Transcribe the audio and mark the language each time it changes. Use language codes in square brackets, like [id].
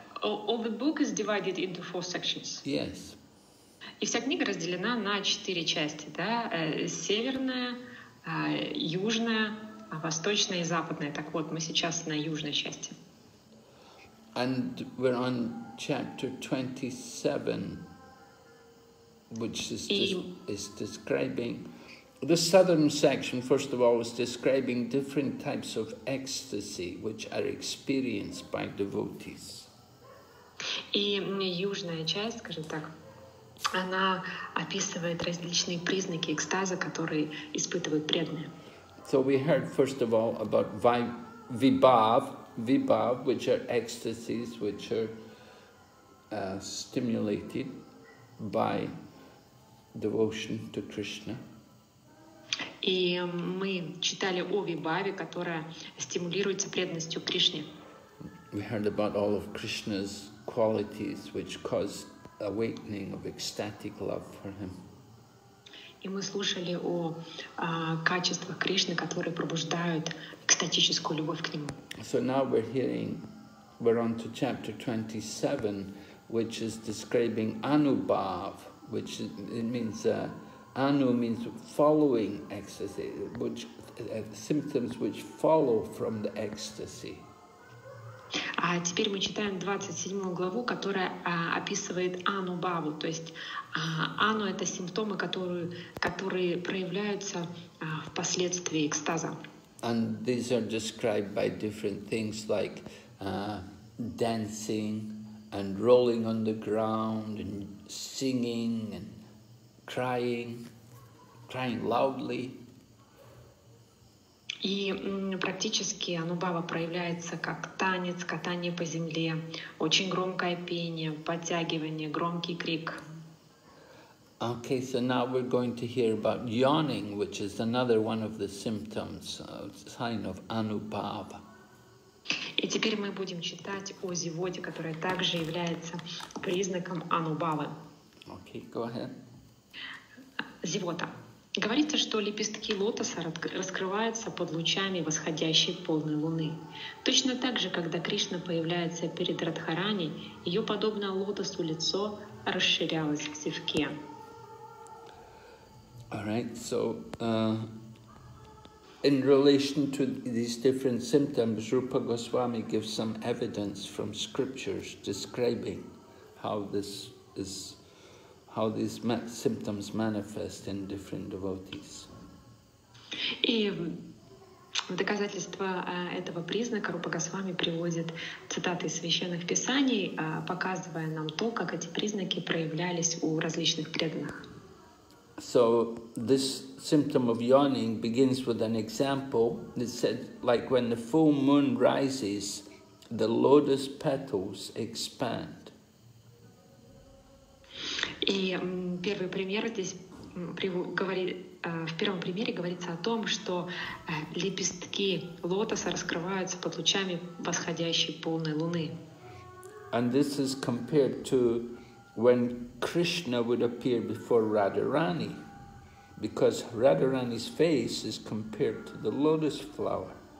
[en] All the book is divided into four sections. Yes. [ru] И вся книга разделена на четыре части, да? Северная, южная, восточная и западная. Так вот, мы сейчас на южной части. [en] And we're on chapter 27. Which is describing the southern section. First of all, is describing different types of ecstasy which are experienced by devotees. [ru] И южная часть, скажем так, она описывает различные признаки экстаза, которые испытывают преданные. [en] So we heard first of all about vibhav, which are ecstasies which are stimulated by devotion to Krishna. [ru] И мы читали о вибаве, которая стимулируется преданностью Кришне. [en] We heard about all of Krishna's qualities which cause awakening of ecstatic love for him. [ru] И мы слушали о качествах Кришны, которые пробуждают экстатическую любовь к нему. [en] So now we're on to chapter 27, which is describing anubhav. Which it means, anu means following ecstasy, which symptoms which follow from the ecstasy. [ru] А теперь мы читаем 27 главу, которая описывает анубаву, то есть ану это симптомы, которые проявляются впоследствии экстаза. [en] And these are described by different things like dancing and rolling on the ground and singing and crying loudly. [ru] И практически анубава проявляется как танец, катание по земле, очень громкое пение, подтягивание, громкий крик. [en] Okay, so now we're going to hear about yawning, which is another one of the symptoms, sign of anubava. [ru] И теперь мы будем читать о зевоте, которая также является признаком анубавы. [en] Okay, go ahead. [ru] Зевота. Говорится, что лепестки лотоса раскрываются под лучами восходящей полной луны. Точно так же, когда Кришна появляется перед Радхарани, ее подобное лотосу лицо расширялось в зевке. [en] All right, so... In relation to these different symptoms, Rupa Goswami gives some evidence from scriptures describing how this is, how these symptoms manifest in different devotees. [ru] И в доказательство этого признака Рупа Госвами приводит цитаты из священных писаний, показывая нам то, как эти признаки проявлялись у различных преданных. [en] So this symptom of yawning begins with an example. It said, like when the full moon rises, the lotus petals expand. [ru] И первый пример здесь говорит, в первом примере говорится о том, что лепестки лотоса раскрываются под лучами восходящей полной луны. [en] And this is compared to when Krishna would appear before Radharani, because Radharani's face is compared to the lotus flower.